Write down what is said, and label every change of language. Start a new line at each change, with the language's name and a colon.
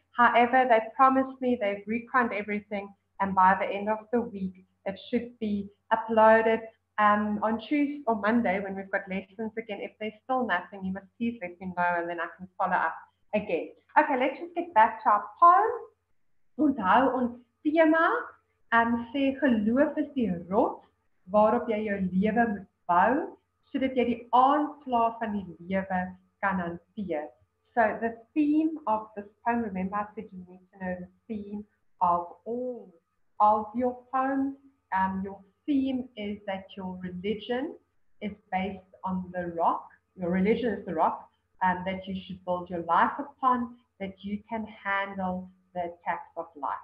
English: However, they promised me they've reconned everything, and by the end of the week, it should be uploaded. On Tuesday or Monday, when we've got lessons again, if there's still nothing, you must please let me know and then I can follow up again. Okay, let's just get back to our poem.
Afrikaans: Onthou ons tema, sê geloof is die rots waarop jy jou lewe moet bou, sodat jy die aanslag van die lewe kan hanteer.
English: So the theme of this poem, remember I said you need to know the theme of all of your poems, your theme is that your religion is based on the rock. Your religion is the rock that you should build your life upon, that you can handle the attacks of life.